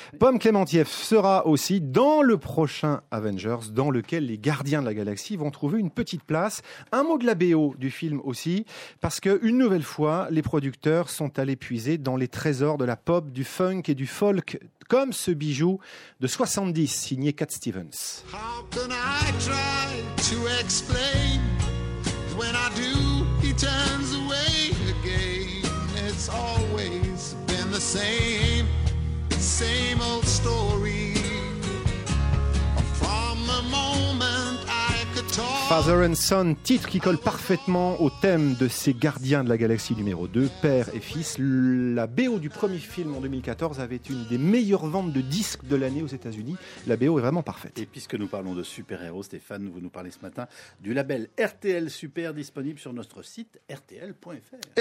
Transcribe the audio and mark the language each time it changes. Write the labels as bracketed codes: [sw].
[fr] Pomme Clémentieff sera aussi dans le prochain Avengers, dans lequel les Gardiens de la Galaxie vont trouver une petite place. Un mot de la BO du film aussi, parce qu'une nouvelle fois, les producteurs sont allés puiser dans les trésors de la pop, du funk et du folk, comme ce bijou de 70, signé Cat Stevens. [en] How can I try to explain when I do? He turns away again. It's always been the same, same old story. From the moment I could talk. [fr] Father and Son, titre qui colle parfaitement au thème de ces Gardiens de la Galaxie numéro 2, père et fils. La BO du premier film en 2014 avait une des meilleures ventes de disques de l'année aux États-Unis. La BO est vraiment parfaite. Et puisque nous parlons de super-héros, Stéphane, vous nous parlez ce matin du label RTL Super, disponible sur notre site rtl.fr.